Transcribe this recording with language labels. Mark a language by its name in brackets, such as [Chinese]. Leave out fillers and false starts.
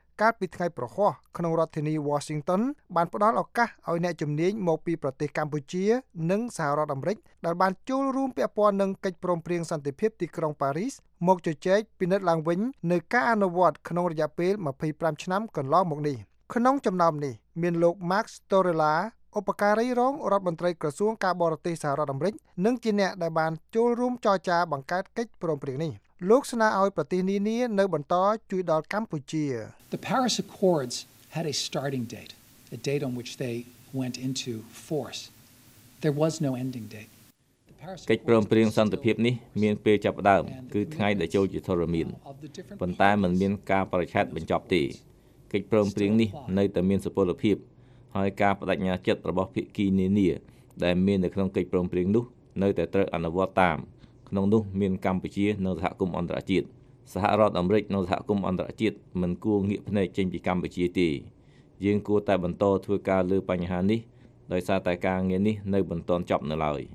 [Khmer] កាលពីថ្ងៃប្រហោះក្នុងរដ្ឋធានី Washington បានផ្តល់ឱកាសឲ្យអ្នកជំនាញមកពីប្រទេសកម្ពុជានិងសហរដ្ឋអាមេរិកដែលបានចូលរួមពាក់ព័ន្ធនឹងកិច្ចព្រមព្រៀងសន្តិភាពទីក្រុងប៉ារីសមកជជែកពិនិត្យឡើងវិញនៅការអនុវត្តក្នុងរយៈពេល25ឆ្នាំកន្លងមកនេះក្នុងចំណោមនេះមានលោក Max Torella ឧបការីរងរដ្ឋមន្ត្រីក្រសួងការបរទេសសហរដ្ឋអាមេរិកនិងជាអ្នកដែលបានចូលរួមចរចាបង្កើតកិច្ចព្រមព្រៀងនេះលោកស្នើឲ្យប្រទេសនានានៅបន្តជួយដល់កម្ពុជា [English] The Paris Accords had a starting date, a date on which they went into force. There was no ending date. [Khmer] កិច្ចព្រមព្រៀងសន្តិភាពនេះមានពេលចាប់ផ្ដើមគឺថ្ងៃដែលចូលជាធរមានប៉ុន្តែมันមានការប្រឆាំងបញ្ចប់ទេកិច្ចព្រមព្រៀងនេះនៅតែមានសុពលភាពហើយការបដិញ្ញាចិត្តរបស់ភាគីនានាដែលមាននៅក្នុងកិច្ចព្រមព្រៀងនោះនៅតែត្រូវអនុវត្តតាមក្នុងនោះមានកម្ពុជានៅសហគមន៍អន្តរជាតិសហរដ្ឋអាមេរិកនៅសហគមន៍អន្តរជាតិមិនគួរងាកភ្នែកចេញពីកម្ពុជាទេយើងគួរតែបន្តធ្វើការលើបញ្ហានេះដោយសារតែការងារនេះនៅមិនទាន់ចប់នៅឡើយ